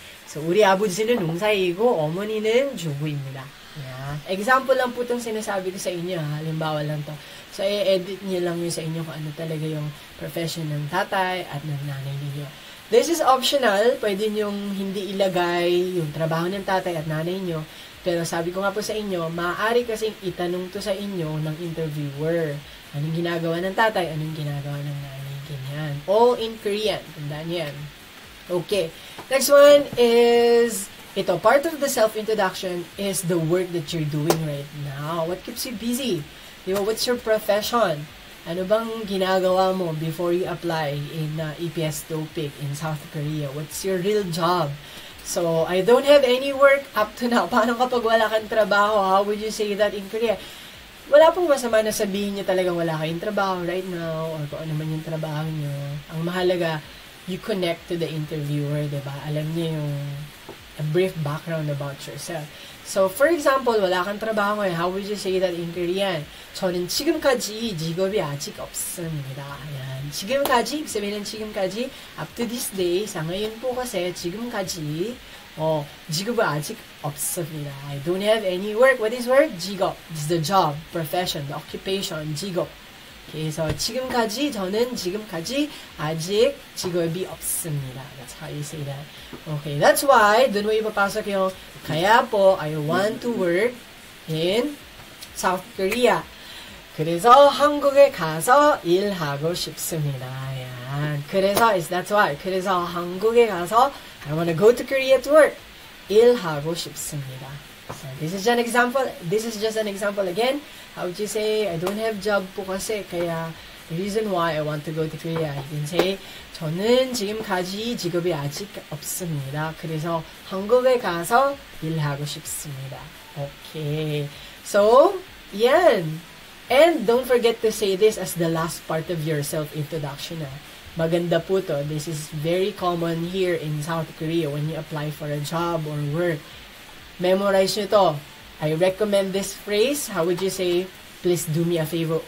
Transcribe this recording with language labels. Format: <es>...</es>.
<ko>So, 우리 아버지는 농사이고, 어머니는 주부입니다.</ko> <tl>Yeah. Example lang po itong sinasabi ko sa inyo. Halimbawa lang to. So, i-edit niyo lang yun sa inyo kung ano talaga yung profession ng tatay at ng nanay niyo.</tl> <en>This is optional.</en> <tl>Pwede niyong hindi ilagay yung trabaho ng tatay at nanay niyo. Pero sabi ko nga po sa inyo, maaari kasing itanong to sa inyo ng interviewer. Anong ginagawa ng tatay? Anong ginagawa ng nanay? Ganyan. All in Korean. Tandaan yan. Okay.</tl> <en>Next one is, ito, part of the self-introduction is the work that you're doing right now. What keeps you busy? Diba, what's your profession?</en> <tl>Ano bang ginagawa mo</tl> <en>before you apply in EPS topic in South Korea? What's your real job? So, I don't have any work up to now.</en> <tl>Paano kapag wala kang trabaho?</tl> <en>How would you say that in Korea?</en> <tl>Wala pong masama na sabihin niyo talaga wala kayong trabaho right now or kung ano man yung trabaho niyo. Ang mahalaga,</tl> <en>you connect to the interviewer, di ba?</en> <tl>Alam niya yung</tl> <en>a brief background about yourself. So, for example,</en> <tl>wala kang trabaho ngayon.</tl> <en>How would you say that in Korean?</en> <ko>저는 지금까지 직업이 아직 없습니다. Ayan. 지금까지, 입 sabihin지금까지, up to this day, 사 ngayon po kasi 지금까지, 직업은 아직 없습니다.</ko> <en>I don't have any work. What is work? 직업. It's the job, profession, the occupation, 직업. Okay, so 지금까지,</en> <ko>저는 지금까지 아직 직업이 없습니다.</ko> <en>That's how you say that. Okay, that's why,</en> <tl>dun mo ipapasok yung, kaya po,</tl> <en>I want to work in South Korea.</en> <ko>그래서 한국에 가서 일하고 싶습니다.</ko> <en>Ayan. 그래서 is that's why.</en> <ko>그래서 한국에 가서</ko> <en>I want to go to Korea to work. 일하고 싶습니다. So this is an example. This is just an example again. How would you say, I don't have job po kasi, kaya the reason why I want to go to Korea. You can say,</en> <ko>저는 지금까지 직업이 아직 없습니다. 그래서 한국에 가서 일하고 싶습니다.</ko> <en>Okay. So, yan. And don't forget to say this as the last part of your self-introduction. Maganda po to. This is very common here in South Korea when you apply for a job or work. Memorize nyo to. I recommend this phrase. How would you say, please do me a favor?</en>